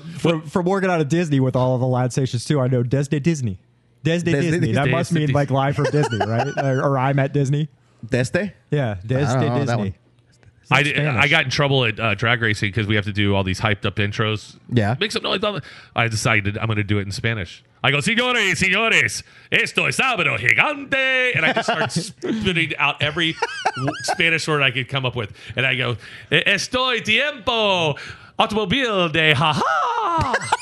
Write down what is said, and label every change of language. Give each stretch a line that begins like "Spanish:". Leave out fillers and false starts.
English: from working out of Disney with all of the Latin stations, too, I know
Spanish: Desde Disney.
English: That must mean like live from Disney, right? Or I'm at Disney.
Spanish: Desde?
English: Yeah.
Spanish: Desde Disney.
English: I got in trouble at drag racing because we have to do all these hyped up intros. Yeah. Make some noise. I decided I'm going to do it in Spanish.
Spanish: I go, señores, esto es sábado gigante.
English: And I just start spitting out every Spanish word I could come up with. And I go,
Spanish: estoy tiempo, automobile de ha-ha.